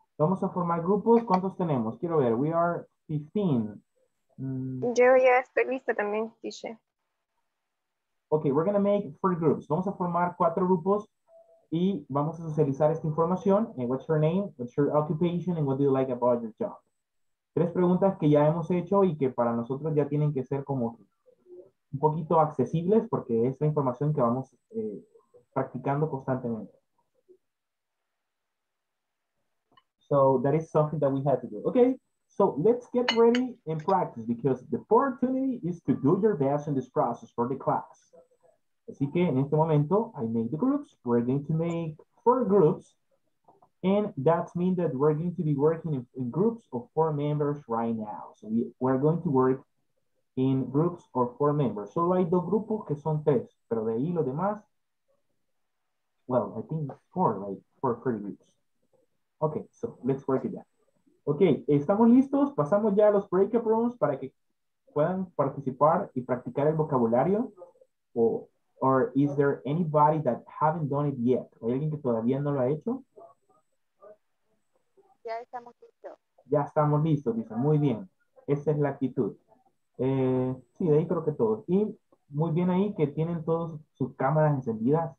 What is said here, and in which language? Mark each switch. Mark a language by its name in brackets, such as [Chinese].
[Spanish] Vamos a formar grupos. ¿Cuántos tenemos? Quiero ver. [English] We are 15. [Spanish] Yo ya estoy lista también, teacher. [English] Okay, we're going to make 4 groups. [Spanish] Vamos a formar 4 grupos. Y vamos a socializar esta información. [English] And what's your name? What's your occupation? And what do you like about your job? [Spanish] 3 preguntas que ya hemos hecho y que para nosotros ya tienen que ser como un poquito accesibles porque es la información que vamos practicando constantemente. [English] So that is something that we have to do. Okay, so let's get ready and practice because the opportunity is to do your best in this process for the class. [Spanish] Así que en este momento, [English] I made the groups. We're going to make 4 groups. And that means that we're going to be working in groups of 4 members right now. So we're going to work in groups of 4 members. [Spanish] Solo hay 2 grupos que son 3. Pero de ahí lo demás, [English] well, I think 4 groups. Okay, so let's work it out. Okay, [Spanish] estamos listos. Pasamos ya a los breakout rooms para que puedan participar y practicar el vocabulario. [English] Or is there anybody that haven't done it yet? [Spanish] ¿Hay alguien que todavía no lo ha hecho? Ya estamos listos. Ya estamos listos, dice. Muy bien. Esa es la actitud. Sí, de ahí creo que todos. Y muy bien ahí que tienen todos sus cámaras encendidas.